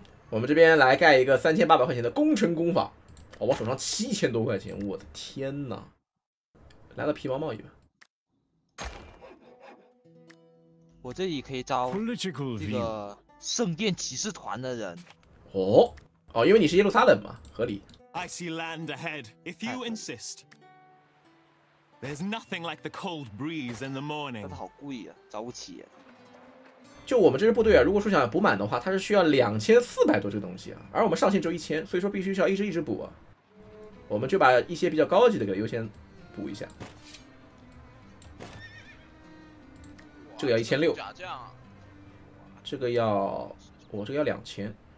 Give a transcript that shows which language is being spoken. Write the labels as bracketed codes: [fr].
[zh] 我们这边来盖一个3800块钱的工程工坊。哦，我手上7000多块钱，我的天哪！来个皮毛贸易吧。我这里可以招这个圣殿骑士团的人。哦，哦，因为你是耶路撒冷嘛，合理。 [en] I see land ahead. If you insist, there's nothing like the cold breeze in the morning. [zh] 他好贵呀、啊，招不起、啊。就我们这支部队啊，如果说想要补满的话，它是需要2400多这个东西啊，而我们上限只有1000，所以说必须需要一直一直补、啊。我们就把一些比较高级的给优先补一下。这个要1600。这个要，我这个要2000。